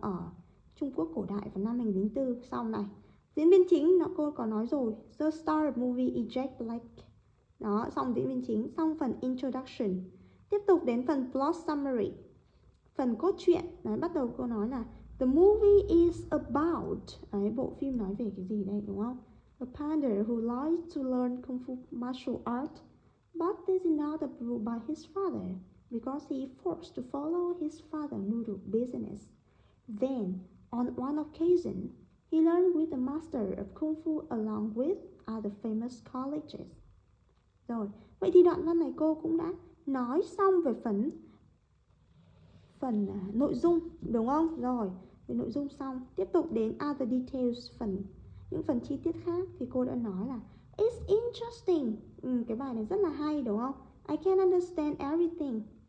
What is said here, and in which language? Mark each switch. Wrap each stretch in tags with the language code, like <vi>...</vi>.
<vi>Ở Trung Quốc cổ đại vào năm 2004, sau này. Diễn viên chính, cô có nói rồi.</vi> <en>The star of movie is Jack Black.</en> <vi>Đó, xong diễn viên chính, xong phần introduction. Tiếp tục đến phần plot summary, phần cốt truyện. Đấy, bắt đầu cô nói là</vi> <en>the movie is about.</en> <vi>Đấy, bộ phim nói về cái gì đây, đúng không?</vi> <en>A panda who likes to learn Kung Fu martial art, but this is not approved by his father because he is forced to follow his father noodle business. Then, on one occasion, he learned with the master of Kung Fu along with other famous colleges.</en> <vi>Rồi, vậy thì đoạn văn này cô cũng đã nói xong về phần nội dung, đúng không? Rồi, về nội dung xong, tiếp tục đến</vi> <en>other details,</en> <vi>phần những phần chi tiết khác thì cô đã nói là</vi> <en>It's interesting.</en> <vi>Cái bài này rất là hay đúng không?</vi> <en>I can understand everything.</en>